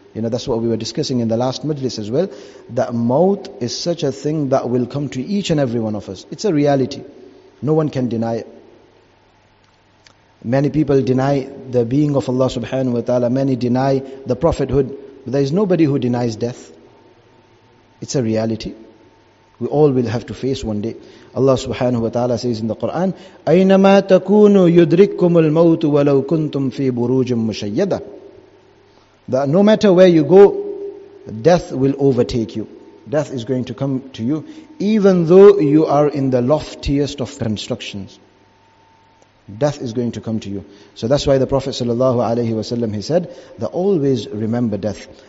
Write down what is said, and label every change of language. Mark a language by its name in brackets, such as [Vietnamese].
[English] You know, that's what we were discussing in the last majlis as well. That maut is such a thing that will come to each and every one of us. It's a reality. No one can deny it. Many people deny the being of Allah subhanahu wa ta'ala. Many deny the prophethood. But there is nobody who denies death. It's a reality. We all will have to face one day. Allah subhanahu wa ta'ala says in the Quran, [Arabic] أَيْنَمَا تَكُونُوا يُدْرِكُّمُ الْمَوْتُ وَلَوْ كُنْتُمْ فِي بُرُوجٍ مُشَيَّدًا. [English] That no matter where you go, death will overtake you. Death is going to come to you, even though you are in the loftiest of constructions. Death is going to come to you. So that's why the Prophet sallallahu alayhi wa sallam, he said, that always remember death.